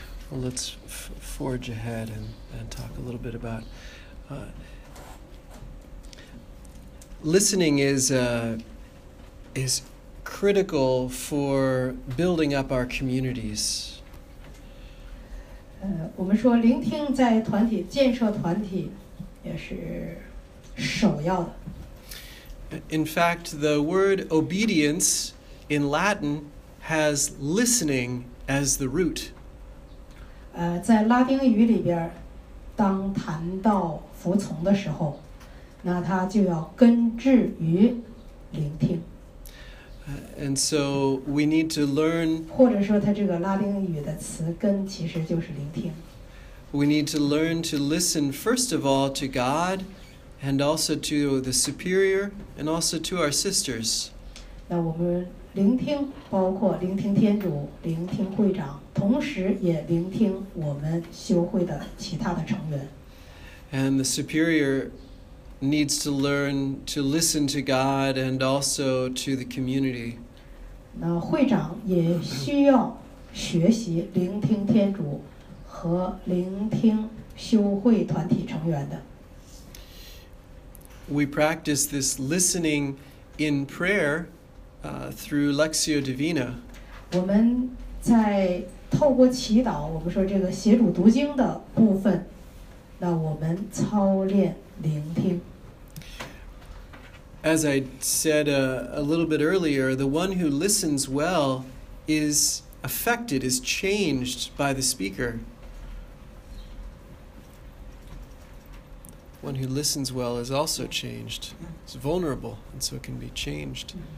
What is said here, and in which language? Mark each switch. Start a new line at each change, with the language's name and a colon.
English: Well, let's forge ahead and talk a little bit about listening is critical for building up our communities.
Chinese: 我们说聆听在团体建设团体也是首要的。
English: In fact, the word obedience in Latin has listening as the root.
Chinese: 在拉丁语里边，当谈到服从的时候，那它就要根植于聆听。
English: And so we need to learn.
Chinese: 或者说，它这个拉丁语的词根其实就是聆听。
English: We need to learn to listen first of all to God, and also to the superior, and also to our sisters.
Chinese: 那我们聆听，包括聆听天主、聆听会长，同时也聆听我们修会的其他的成员。
English: And the superior. Needs to learn to listen to God and also to the community.
Chinese: 那会长也需要学习聆听天主和聆听修会团体成员的。
English: We practice this listening in prayer, through Lectio Divina.
Chinese: 我们在透过祈祷，我们说这个协主读经的部分，那我们操练聆听。
English: As I said a little bit earlier, the one who listens well is affected, is changed by the speaker. One who listens well is also changed. It's vulnerable, and so it can be changed.